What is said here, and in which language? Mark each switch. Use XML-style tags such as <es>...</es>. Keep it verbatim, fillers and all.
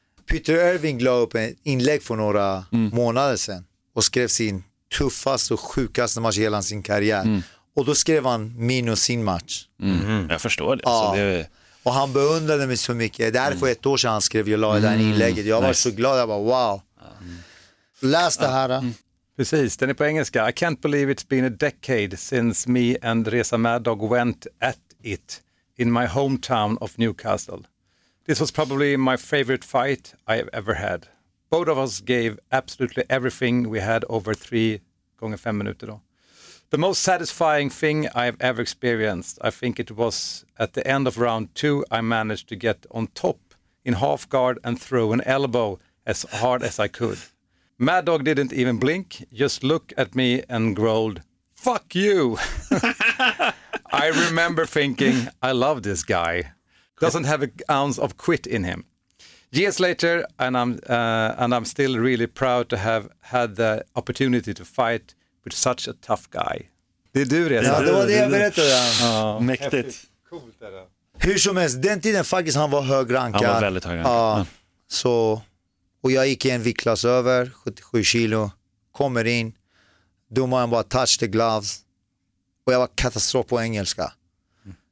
<sv>Peter Irving la upp ett inlägg för några mm. månader sedan och skrev sin tuffaste och sjukaste match i hela sin karriär. Mm. Och då skrev han minus sin match. Mm. Jag förstår det. Ja. Så det... Och han beundrade mig så mycket. Det här för ett år sedan han skrev, jag la i det här inlägget. Jag var nice. Så glad, jag bara wow. Mm. Läs det här. Mm. Precis, den är på engelska.</sv> <en>I can't believe it's been a decade since me and Reza Mad Dog went at it in my hometown of Newcastle. This was probably my favorite fight I've ever had. Both of us gave absolutely everything we had over three</en> <sv>gånger fem minuter då.</sv> <en>The most satisfying thing I've ever experienced, I think it was at the end of round two, I managed to get on top in half guard and throw an elbow as hard as I could. Mad Dog didn't even blink, just looked at me and growled, fuck you. I remember thinking, I love this guy. Doesn't have an ounce of quit in him. Years later, and I'm, uh, and I'm still really proud to have had the opportunity to fight with such a tough guy.</en> <sv>Det är du redan. Ja, det var det jag berättade. Ja. Mäktigt. Coolt är det. Hur som helst, den tiden faktiskt han var högrankad. Han var väldigt högrankad. Ja, så Och jag gick i en viktklass över, sjuttiosju kilo. Kommer in. Domaren bara</sv> <en>touch the gloves.</en> <sv>Och jag var katastrof på engelska. Mm.</sv>